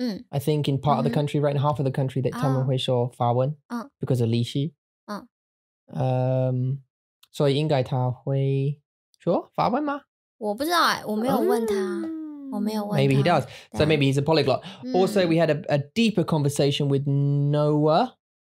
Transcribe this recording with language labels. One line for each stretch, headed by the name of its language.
English: I think in part of the country, right in half of the country, that
Chinese: 他们会说法文.
English: Because of 俚语.
Chinese: So 应该他会说法文吗? 我不知道，我没有问他。
English: Maybe he does. So maybe he's a polyglot. Also, we had a deeper conversation with Noah.